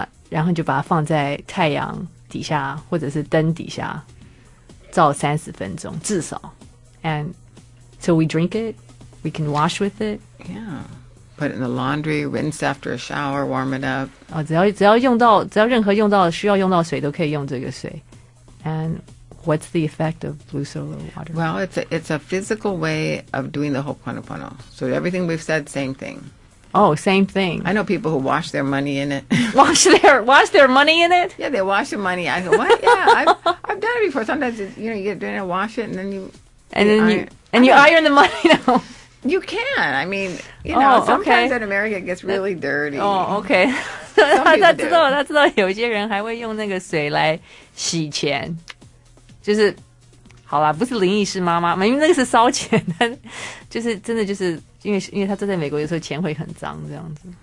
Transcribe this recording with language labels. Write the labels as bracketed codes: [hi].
[zh] 然后就把它放在太阳底下或者是灯底下照30分钟至少。 [en] And so we drink it, we can wash with it. Yeah, put it in the laundry, rinse after a shower, warm it up. [zh] 只要用到需要用到水都可以用这个水。 And [en] What's the effect of blue solar water? Well, it's a physical way of doing the Ho'oponopono. So everything we've said, same thing. Oh, same thing. I know people who wash their money in it. wash their money in it? Yeah, they wash their money. I go, what? Yeah, I've done it before. Sometimes it's, you know, you get dinner, wash it, and then you iron the money. No. You can. I mean, you know, sometimes in America it gets really dirty. Oh, okay. [zh] 他知道，有些人还会用那个水来洗钱，就是好啦，不是灵异是妈妈，因为那个是烧钱，就是真的就是因为他住在美国，有时候钱会很脏这样子。